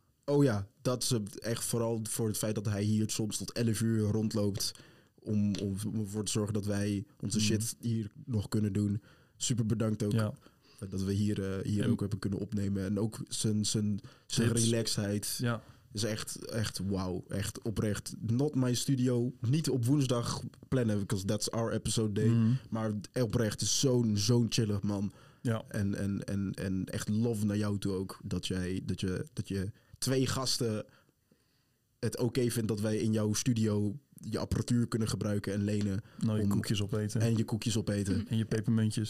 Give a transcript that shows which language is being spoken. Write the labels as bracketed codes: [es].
[nl] Oh ja, dat is echt vooral voor het feit dat hij hier soms tot 11 uur rondloopt. Om ervoor te zorgen dat wij onze shit hier nog kunnen doen. Super bedankt ook dat we hier ook hebben kunnen opnemen. En ook zijn relaxheid is echt wauw. Echt oprecht. [en] Not my studio. [nl] Niet op woensdag plannen, [en] because that's our episode day. [nl] Mm. Maar oprecht is zo'n chillig man. Ja. En echt love naar jou toe ook. Dat je twee gasten het oké vindt dat wij in jouw studio je apparatuur kunnen gebruiken en lenen. Nou, je koekjes opeten. En je koekjes opeten. En je pepermuntjes.